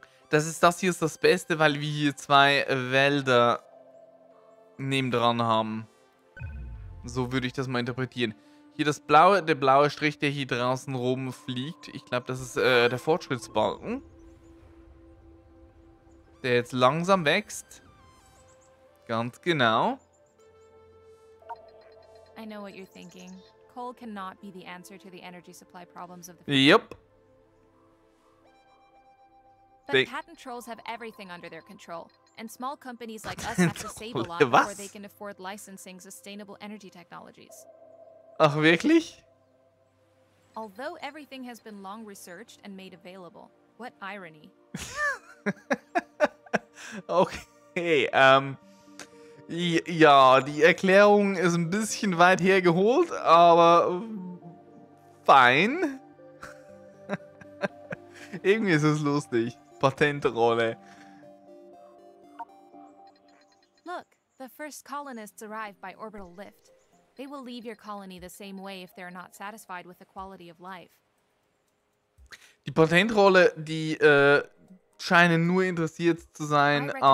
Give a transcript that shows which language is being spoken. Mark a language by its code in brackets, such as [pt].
[de] Das ist das hier ist das Beste, weil wir hier zwei Wälder nebendran haben. So würde ich das mal interpretieren. Hier das blaue, der blaue Strich, der hier draußen rumfliegt. Ich glaube, das ist der Fortschrittsbalken. Der jetzt langsam wächst. Ganz genau. [en] I know what you're thinking. Coal cannot be the answer to the energy supply problems of the future. Yep. But patent trolls have everything under their control. And small companies like us have to save a lot before they can afford licensing sustainable energy technologies. [de] Ach, wirklich? [en] Although everything has been long researched and made available. What irony. [de] Okay, ja, die Erklärung ist ein bisschen weit hergeholt, aber fein. Irgendwie ist es lustig. Patentrolle. [en] Look, the first colonists arrived by orbital lift. They will leave your colony the same way if they're not satisfied with the quality of life. [de] Die Patentrolle, die scheinen nur interessiert zu sein.